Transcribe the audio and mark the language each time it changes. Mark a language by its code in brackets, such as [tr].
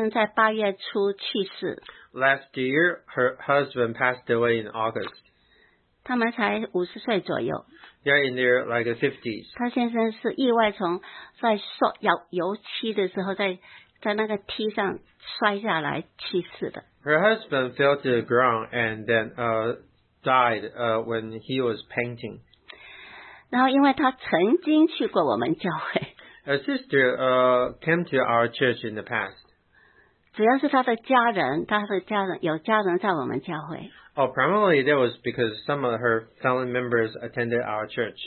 [zh] 只是去年她的先生在八月初去世。 [en] Last year, her husband passed away in August. [zh] 他们才50岁左右。 [en] They're in their like 50s. [zh] 他先生是意外从在油漆的时候在那个梯上摔下来去世的。 [en] Her husband fell to the ground and then died when he was painting. [zh] 然后因为他曾经去过我们教会。 [en] Her sister came to our church in the past. [zh] 主要是他的家人，他的家人有家人在我们教会。 [en] Oh, primarily that was because some of her family members attended our church.